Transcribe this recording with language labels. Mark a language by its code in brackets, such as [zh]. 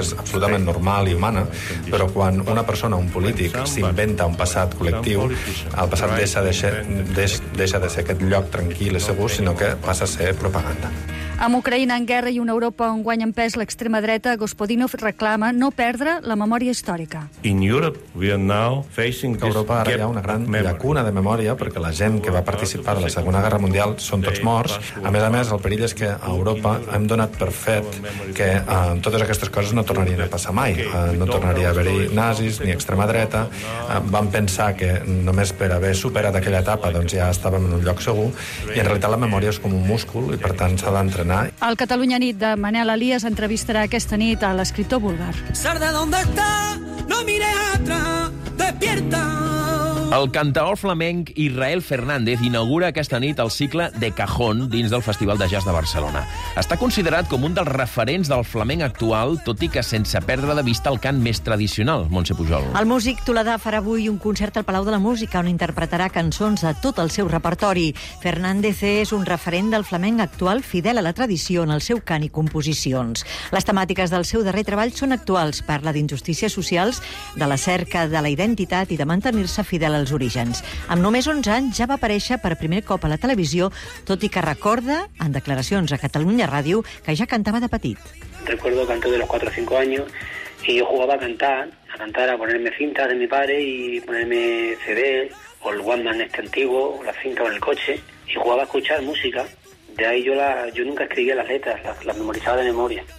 [ca] És absolutament normal i humana, però quan una persona, un polític, s'inventa un passat col·lectiu, el passat deixa de ser aquest lloc tranquil i segur, sinó que passa a ser propaganda. Amb Ucraïna en guerra i una Europa on guanya en pes l'extrema dreta, Gospodinov reclama no perdre la memòria històrica. [en] In Europe, we are now facing this [ca] Europa ara hi ha una gran llacuna de memòria, perquè la gent que va participar a la Segona Guerra Mundial són tots morts. A més, el perill és que a Europa hem donat per fet que totes aquestes coses no tornarien a passar mai. No tornaria a haver-hi nazis ni extrema dreta. Vam pensar que només per haver superat aquella etapa doncs ja estàvem en un lloc segur, i en realitat la memòria és com un múscul i per tant s'ha d'entrar. El Catalunya Nit de Manel Elías entrevistarà aquesta nit a l'escriptor búlgar. [es] Sarda, ¿dónde está? No mires atrás, despierta. [ca] El cantaor flamenc Israel Fernández inaugura aquesta nit el cicle De Cajón dins del Festival de Jazz de Barcelona. Està considerat com un dels referents del flamenc actual, tot i que sense perdre de vista el cant més tradicional, Montse Pujol. El músic toledà farà avui un concert al Palau de la Música on interpretarà cançons de tot el seu repertori. Fernández és un referent del flamenc actual fidel a la tradició en el seu cant i composicions. Les temàtiques del seu darrer treball són actuals. Parla d'injustícies socials, de la cerca de la identitat i de mantenir-se fidel als orígens. Amb només 11 anys ja va aparèixer per primer cop a la televisió, tot i que recorda, en declaracions a Catalunya Ràdio, que ja cantava de petit. [es] Recuerdo canto de los 4 o 5 años y yo jugaba a cantar, a ponerme cintas de mi padre y ponerme CD o el Wanda en este antiguo, o la cinta o en el coche, y jugaba a escuchar música. De ahí yo nunca escribía las letras, las memorizaba de memoria.